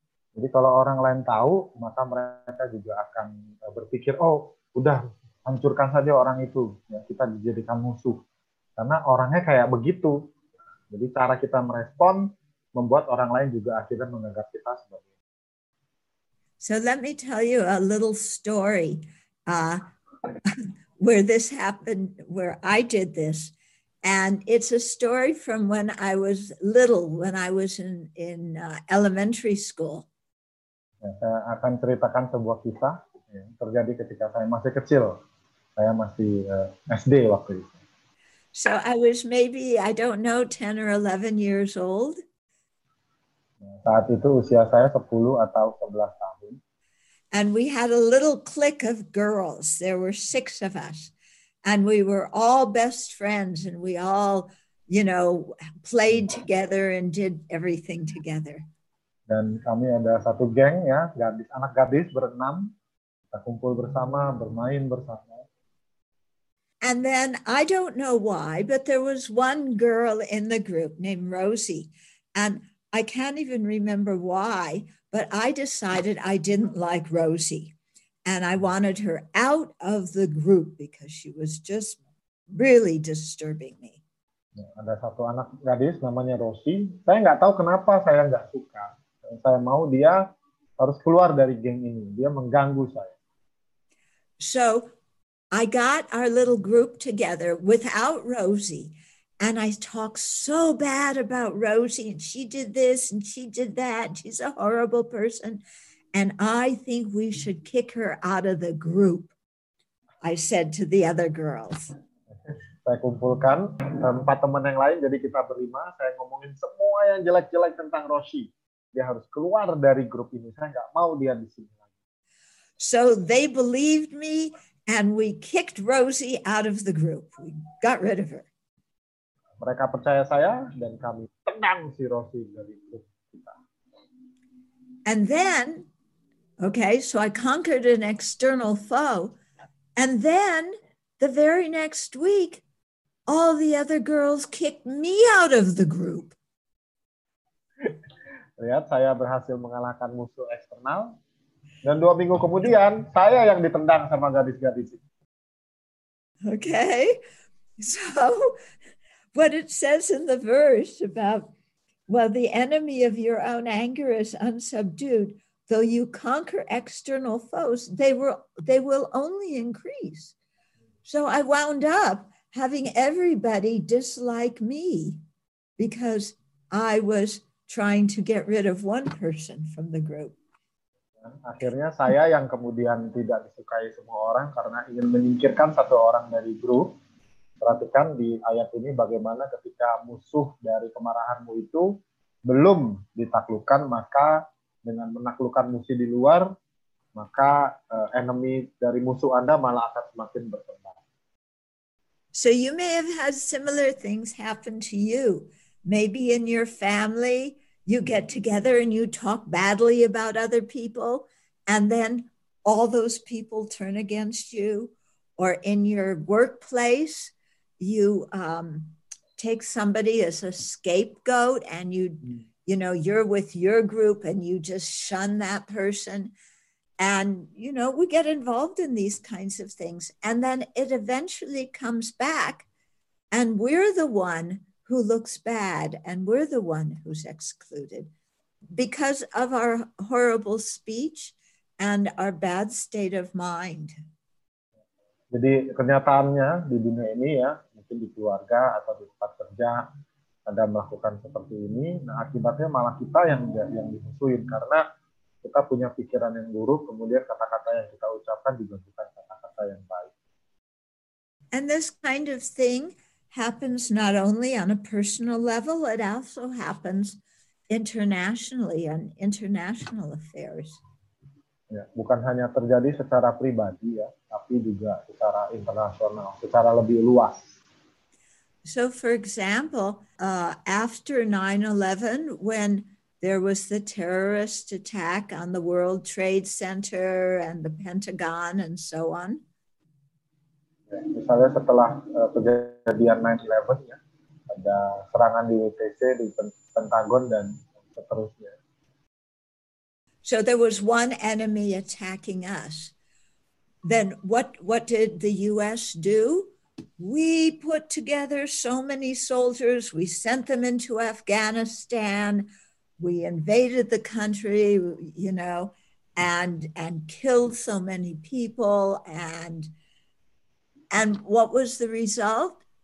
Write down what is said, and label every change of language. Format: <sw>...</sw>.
<id>Jadi kalau orang lain tahu, maka mereka juga akan berpikir, oh, udah hancurkan saja orang itu, ya, kita dijadikan musuh. Karena orangnya kayak begitu. Jadi cara kita merespon membuat orang lain juga akhirnya menganggap kita sebagai.</id> <en>So let me tell you a little story where this happened, where I did this. And it's a story from when I was little, when I was in elementary school.</en> <id>Ya, saya akan ceritakan sebuah kisah yang terjadi ketika saya masih kecil. Saya masih SD waktu itu.</id> <en>So I was maybe, I don't know, 10 or 11 years old.</en> <id>Ya, saat itu usia saya 10 atau 11 tahun.</id> <en>And we had a little clique of girls. There were 6 of us. And we were all best friends. And we all, played together and did everything together.</en> <id>Dan kami ada satu geng, ya, anak gadis berenam, kita kumpul bersama, bermain bersama.</id> <en>And then I don't know why, but there was one girl in the group named Rosie, and I can't even remember why, but I decided I didn't like Rosie, and I wanted her out of the group because she was just really disturbing me.</en> <id>Ada satu anak gadis namanya Rosie, saya nggak tahu kenapa saya nggak suka. Saya mau dia harus keluar dari geng ini. Dia mengganggu saya.</id> <en>So, I got our little group together without Rosie. And I talked so bad about Rosie. And she did this and she did that. She's a horrible person. And I think we should kick her out of the group, I said to the other girls.</en> <id>Saya kumpulkan 4 teman yang lain. Jadi kita berlima. Saya ngomongin semua yang jelek-jelek tentang Rosie. Dia harus keluar dari grup ini. Saya nggak mau dia di sini.</id> <en>So they believed me, And we kicked Rosie out of the group. We got rid of her.</en> <id>Mereka percaya saya dan kami tendang si Rosie dari grup kita.</id> <en>And then, okay, so I conquered an external foe. And then the very next week, all the other girls kicked me out of the group.</en> <id>Lihat, saya berhasil mengalahkan musuh eksternal. Dan dua minggu kemudian, saya yang ditendang sama gadis-gadis.</id> <en>Okay, so what it says in the verse about, well, the enemy of your own anger is unsubdued, though you conquer external foes, they will only increase. So I wound up having everybody dislike me because I was trying to get rid of one person from the group.</en> <id>Akhirnya saya yang kemudian tidak disukai semua orang karena ingin menyingkirkan satu orang dari grup. Perhatikan di ayat ini bagaimana ketika musuh dari kemarahanmu itu belum ditaklukkan, maka dengan menaklukkan musuh di luar, maka enemy dari musuh Anda malah akan semakin berkembang.</id> <en>So you may have had similar things happen to you. Maybe in your family, you get together and you talk badly about other people, and then all those people turn against you. Or in your workplace, you take somebody as a scapegoat and you know, you're with your group and you just shun that person. And, you know, we get involved in these kinds of things. And then it eventually comes back and we're the one who looks bad and we're the one who's excluded because of our horrible speech and our bad state of mind.</en> <id>Jadi kenyataannya di dunia ini ya, mungkin di keluarga atau di tempat kerja, Anda melakukan seperti ini, nah akibatnya malah kita yang dimusuhin karena kita punya pikiran yang buruk, kemudian kata-kata yang kita ucapkan juga bukan kata-kata yang baik.</id> <en>And this kind of thing happens not only on a personal level, it also happens internationally on international affairs.</en> <id>Ya, bukan hanya terjadi secara pribadi ya, tapi juga secara internasional, secara lebih luas.</id> <en>So for example, after 9/11, when there was the terrorist attack on the World Trade Center and the Pentagon and so on.</en> <id>Misalnya setelah kejadian 9/11 ya, ada serangan di WTC, di Pentagon dan seterusnya.</id> <en>So there was one enemy attacking us. Then what did the US do? We put together so many soldiers, we sent them into Afghanistan, we invaded the country, you know, and killed so many people, and what was the result?</en>